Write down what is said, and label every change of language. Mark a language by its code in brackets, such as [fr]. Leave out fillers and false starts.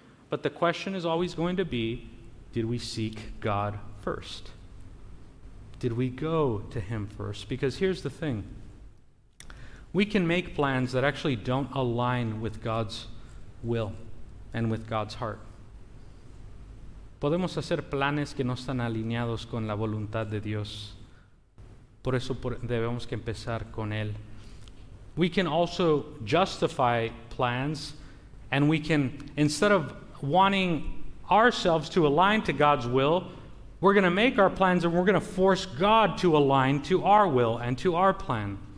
[en] But the question is always going to be, did we seek God first? Did we go to Him first? Because here's the thing. We can make plans that actually don't align with God's will and with God's heart. [es] Podemos hacer planes que no están alineados con la voluntad de Dios. Por eso debemos que empezar con Él. [en] We can also justify plans, and we can, instead of wanting ourselves to align to God's will, we're going to make our plans and we're going to force God to align to our will and to our plan.